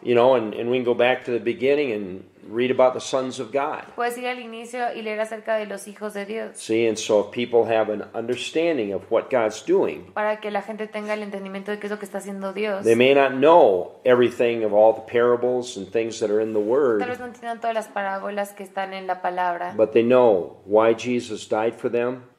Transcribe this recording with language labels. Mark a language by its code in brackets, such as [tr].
[en] You know, and we can go back to the beginning and read about the sons of God. [es] Puedes ir al inicio y leer acerca de los hijos de Dios. [en] See, and so if people have an understanding of what God's doing. [es] Para que la gente tenga el entendimiento de qué es lo que está haciendo Dios. [en] They may not know everything of all the parables and things that are in the Word. [es] Tal vez no entiendan todas las parábolas que están en la palabra. [en] But they know why Jesus died for them.